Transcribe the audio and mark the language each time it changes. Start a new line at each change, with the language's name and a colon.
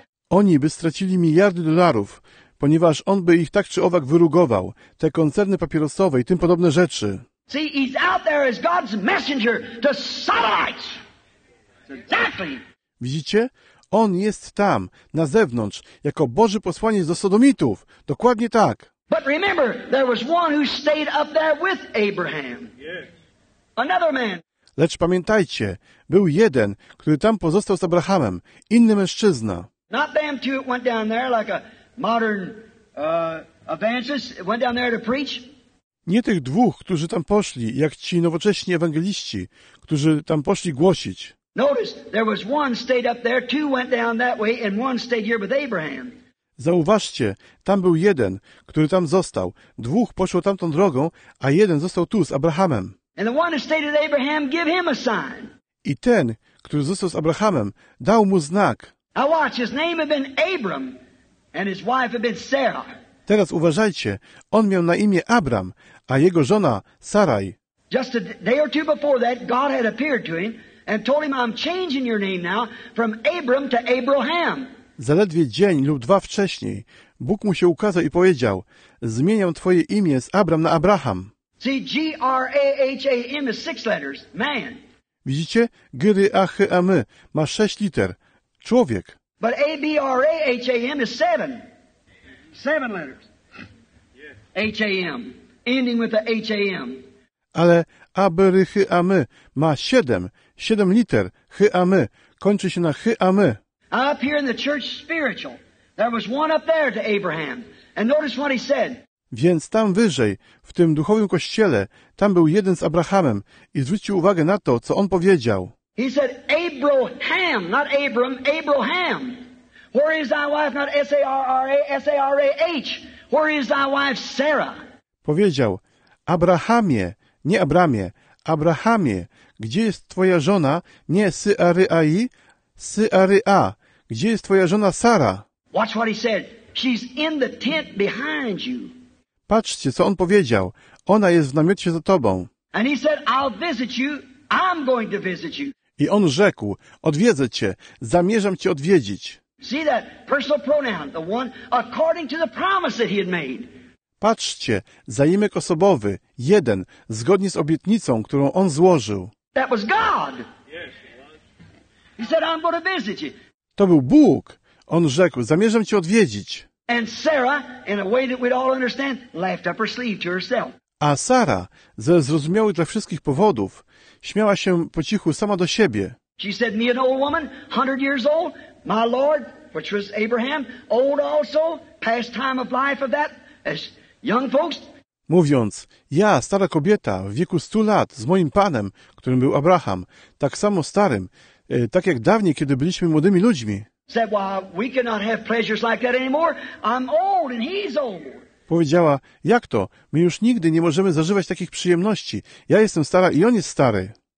Polish: Oni by stracili miliardy dolarów, ponieważ on by ich tak czy owak wyrugował, te koncerny papierosowe i tym podobne rzeczy.
English: See, he's out there as God's messenger to Sodomites. Exactly.
Polish: Widzicie? On jest tam, na zewnątrz, jako Boży posłaniec do Sodomitów. Dokładnie tak.
English: But remember, there was one who stayed up there with Abraham. Another man.
Polish: Lecz pamiętajcie, był jeden, który tam pozostał z Abrahamem, inny mężczyzna.
English: Not them two went down there like a modern evangelist went down there to preach.
Polish: Nie tych dwóch, którzy tam poszli, jak ci nowocześni ewangeliści, którzy tam poszli głosić.
English: Notice, there was one stayed up there, two went down that way, and one stayed here with Abraham.
Polish: Zauważcie, tam był jeden, który tam został. Dwóch poszło tamtą drogą, a jeden został tu z Abrahamem.
English: And the one who stayed with Abraham, give him a sign.
Polish: I ten, który został z Abrahamem, dał mu znak.
English: Now watch, his name had been Abram, and his wife had been Sarah.
Polish: Teraz uważajcie, on miał na imię Abram, a jego żona Saraj.
English: Just a day or two before that, God had appeared to him and told him, I'm changing your name now from Abram to Abraham.
Polish: Zaledwie dzień lub dwa wcześniej Bóg mu się ukazał i powiedział, zmieniam twoje imię z Abram na Abraham.
English: See, G-R-A-H-A-M is six letters, man.
Polish: Widzicie? G-R-A-H-A-M-y ma sześć liter. Człowiek.
English: But A-B-R-A-H-A-M is seven. Seven letters. Yes. H-A-M. Ending with the H-A-M.
Polish: Ale A-B-R-H-A-M-y ma siedem. Siedem liter. H-A-M-y. Kończy się na H-A-M-y.
English: Up here in the church spiritual, there was one up there to Abraham. And notice what he said.
Polish: Więc tam wyżej, w tym duchowym kościele, tam był jeden z Abrahamem i zwrócił uwagę na to, co on powiedział.
English: He said, Abraham, not Abram, Abraham. Where is thy wife, not S-A-R-R-A, S-A-R-A-H? Where is thy wife, Sarah?
Polish: Powiedział, Abrahamie, nie Abramie, Abrahamie, gdzie jest twoja żona, nie S-A-R-A-I, S-A-R-A, gdzie jest twoja żona, Sara?
English: Watch what he said, she's in the tent behind you.
Polish: Patrzcie, co on powiedział. Ona jest w namiocie za tobą.
English: And he said, I'll visit you. I'm going to visit you.
Polish: I on rzekł, odwiedzę cię, zamierzam cię odwiedzić.
English: See that personal pronoun, the one according to the promise that he had made.
Polish: Patrzcie, zaimek osobowy, jeden, zgodnie z obietnicą, którą on złożył.
English: That was God. He said, I'm going to visit you.
Polish: To był Bóg. On rzekł, zamierzam cię odwiedzić.
English: And Sarah, in a way that we'd all understand, laughed up her sleeve to herself.
Polish: A Sara, ze zrozumiałych dla wszystkich powodów, śmiała się po cichu sama do siebie.
English: She said, me an old woman, 100 years old, my lord, which was Abraham, old also, past time of life of that, as young folks.
Polish: Mówiąc, ja, stara kobieta, w wieku 100 lat, z moim panem, którym był Abraham, tak samo starym, tak jak dawniej, kiedy byliśmy młodymi ludźmi.
English: said, well, we cannot have pleasures like that anymore. I'm old and he's old.
Polish: Powiedziała, jak to? My już nigdy nie możemy zażywać takich przyjemności. Ja jestem stara i on jest stary.